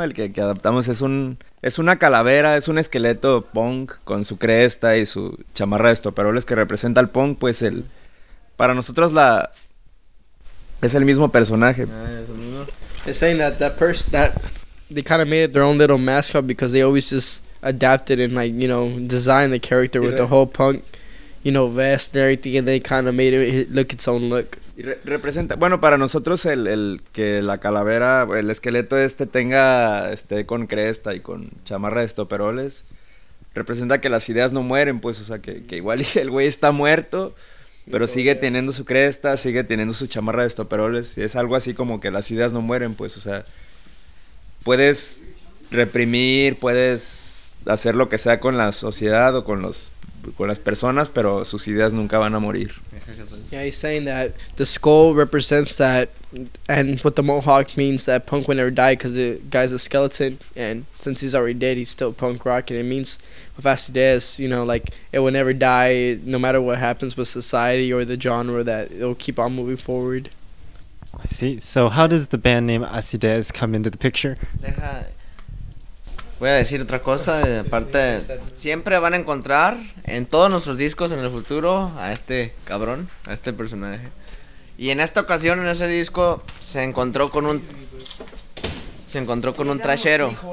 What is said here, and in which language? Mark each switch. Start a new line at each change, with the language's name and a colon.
Spanish: El que adaptamos es una calavera, es un esqueleto punk con su cresta y su chamarra de estoperoles que representa al punk, pues el para nosotros la Es el mismo personaje.
English: They're saying that that person that they kind of made it their own little mascot because they always just adapted and like, you know, designed the character with the whole punk, you know, vest and everything, and they kind of made it look its own look.
Spanish: Y representa, bueno, para nosotros el que la calavera, el esqueleto este tenga, esté con cresta y con chamarra de estoperoles, representa que las ideas no mueren, pues, o sea, que igual el güey está muerto, pero sigue teniendo su cresta, sigue teniendo su chamarra de estoperoles, y es algo así como que las ideas no mueren, pues, o sea, puedes reprimir, puedes hacer lo que sea con la sociedad o con los... con las personas, pero sus ideas nunca van a morir.
English: Yeah, he's saying that the skull represents that, and what the mohawk means that punk will never die because the guy's a skeleton, and since he's already dead, he's still punk rock, and it means with fast ideas, you know, like it will never die, no matter what happens with society or the genre, that it'll keep on moving forward. I see. So how does the band name Acidez come into the picture?
Spanish: Voy a decir otra cosa, aparte, siempre van a encontrar en todos nuestros discos en el futuro a este cabrón, a este personaje. Y en esta ocasión, en ese disco, se encontró con un trashero.